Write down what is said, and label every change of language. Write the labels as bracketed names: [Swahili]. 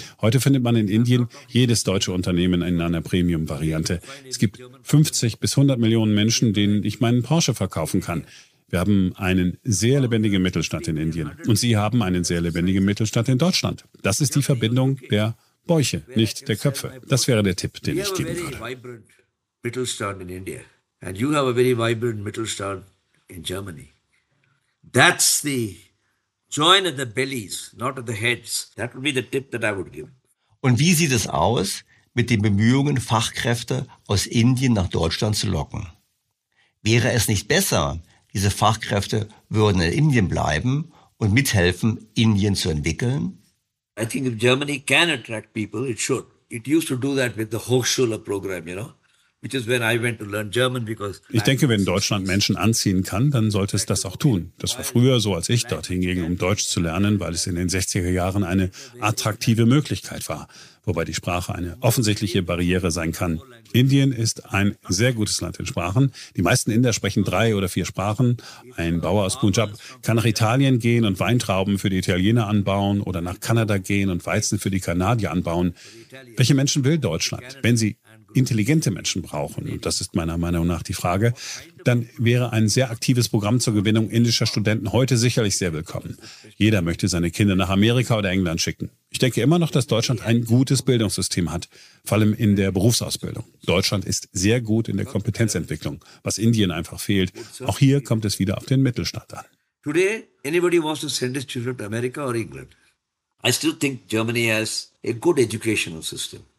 [German] Heute findet man in Indien jedes deutsche Unternehmen in einer Premium-Variante. Es gibt 50 bis 100 Millionen Menschen, denen ich meinen Porsche verkaufen kann. Wir haben einen sehr lebendigen Mittelstand in Indien und Sie haben einen sehr lebendigen Mittelstand in Deutschland. Das ist die Verbindung der Bäuche, nicht der Köpfe. Das wäre der Tipp, den ich geben würde. [English] Vibrant Mittelstand in India and you have a very vibrant Mittelstand in Germany. That's the join at the bellies, not at the heads. That would be the tip that I would give. [German] Und wie sieht es aus mit den Bemühungen, Fachkräfte aus Indien nach Deutschland zu locken? Wäre es nicht besser, diese Fachkräfte würden in Indien bleiben und mithelfen, Indien zu entwickeln? [English] I think if Germany can attract people, it should. It used to do that with the Hochschule program, you know, Which is when I went to learn German because [German] ich denke, wenn Deutschland Menschen anziehen kann, dann sollte es das auch tun. Das war früher so, als ich dorthin ging, um Deutsch zu lernen, weil es in den 60er Jahren eine attraktive Möglichkeit war, wobei die Sprache eine offensichtliche Barriere sein kann. Indien ist ein sehr gutes Land in Sprachen. Die meisten Inder sprechen 3 oder 4 Sprachen. Ein Bauer aus Punjab kann nach Italien gehen und Weintrauben für die Italiener anbauen oder nach Kanada gehen und Weizen für die Kanadier anbauen. Welche Menschen will Deutschland, wenn sie intelligente Menschen brauchen, und das ist meiner Meinung nach die Frage, dann wäre ein sehr aktives Programm zur Gewinnung indischer Studenten heute sicherlich sehr willkommen. Jeder möchte seine Kinder nach Amerika oder England schicken. Ich denke immer noch, dass Deutschland ein gutes Bildungssystem hat, vor allem in der Berufsausbildung. Deutschland ist sehr gut in der Kompetenzentwicklung, was Indien einfach fehlt. Auch hier kommt es wieder auf den Mittelstand an. [English] Today, anybody wants to send his children to America or England. I still think Germany has a good educational system.